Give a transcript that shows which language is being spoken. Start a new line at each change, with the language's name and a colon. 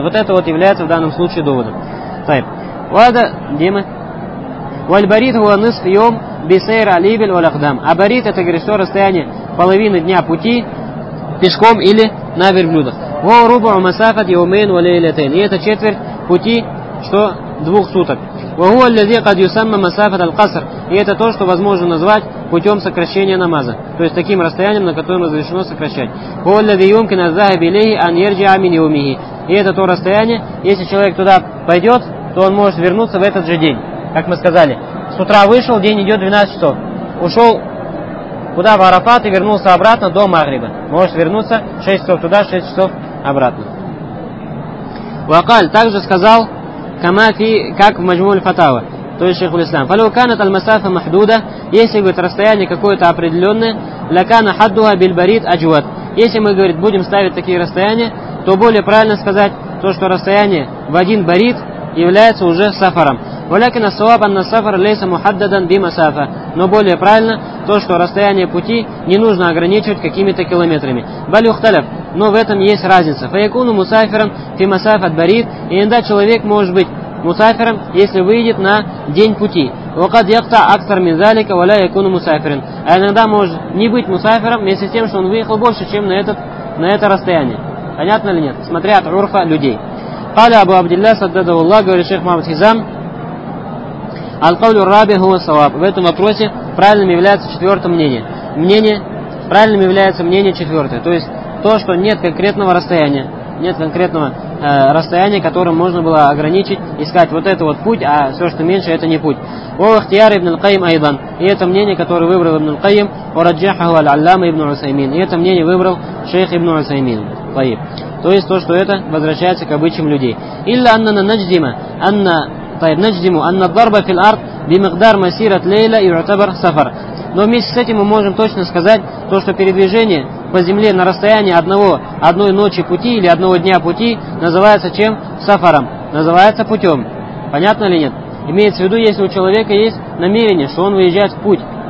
Russian: Вот это вот является в данном случае доводом. Вада, где мы?
Arabic: Вальбарит хуа нисф йом бисейр алибель валахдам.
Russian: А барит это, говорит, что расстояние половины дня пути пешком или на верблюдах.
Arabic: Во рубу масафат йомейн валейлятейн.
Russian: И это четверть пути, что двух суток.
Arabic: وهو الذي قد يسمى مسافة القصر.
Russian: И это то, что возможно назвать путем сокращения намаза. То есть таким расстоянием, на котором разрешено сокращать.
Arabic: وهو الذي يمكن الذهاب إليه أن يرجع من يومه.
Russian: И это то расстояние, если человек туда пойдет, то он может вернуться в этот же день. Как мы сказали, с утра вышел, день идет 12 часов. Ушел куда? В Арафат и вернулся обратно до Магриба. Может вернуться 6 часов туда, 6 часов обратно. وقال, также сказал, كما في, как в Маджму аль-Фатава, то есть Шейху Ислам.
Arabic: فَلُوْكَانَتَ الْمَسَافَ مَحْدُودَ,
Russian: если, говорит, расстояние какое-то определенное,
Arabic: لَكَانَ حَدُّهَ بِالْبَرِيدْ أَجْوَدْ.
Russian: Если мы, говорит, будем ставить такие расстояния, то более правильно сказать то, что расстояние в один барит является уже сафаром.
Arabic: وَلَكِنَ الصَّوَابَ أَنَّ السَّفَرَ لَيْسَ مُحَدَّدًا بِمَسَافَ.
Russian: Но более правильно то, что расстояние пути не нужно ограничивать какими-то километрами.
Arabic: بَلْيُخْتَلَفْ.
Russian: Но в этом есть разница.
Arabic: فَيَكُونُ مُسَافِرًا فِي مَسَافَةَ بَرِيدْ.
Russian: Иногда человек может быть мусафиром, если выйдет на день пути.
Arabic: وَقَدْ يَقْطَعْ أَكْثَرْ مِنْ ذَلِكَ وَلَا يَكُونُ مُسَافِرًا.
Russian: А иногда может не быть мусафиром, вместе с тем, что он выехал больше, чем на это расстояние. Понятно ли нет? Смотря от урфа людей.
Arabic: قَالَ أَبُو عَبْدِ اللَّهِ صَدَّدَهُ اللَّهُ, говорит шейх Мухаммад Хизам, القول الرابع هو الصواب.
Russian: В этом вопросе правильным является четвертое мнение. Правильным является мнение четвертое. То есть то, что нет конкретного расстояния. Нет конкретного расстояния, которым можно было ограничить, искать вот это вот путь, а все, что меньше, это не путь.
Arabic: وَوَخْتِيَارِ ибн الْقَيْمِ أَيْضًا.
Russian: И это мнение, которое выбрал ибн الْقَيْمِ,
Arabic: وَرَجَّحَهُ الْعَلَّامَ
Russian: ибн عُسَيْمِينَ. И это мнение выбрал шейх ибн عُسَيْمِينَ.
Arabic: طيب.
Russian: То есть то, что это возвращается к обычаям людей.
Arabic: إِلَّا أَنَّنَا نَجْزِمَ أَنَّ طيب نجزم أن الضرب في الأرض بمقدار مسيرة ليلة يعتبر سفر.
Russian: Но вместе с этим мы можем точно сказать то, что передвижение по земле на расстоянии одной ночи пути или одного дня пути называется чем? Сафаром. Называется путем. Понятно ли нет? Имеется в виду, если у человека есть намерение, что он выезжает в путь.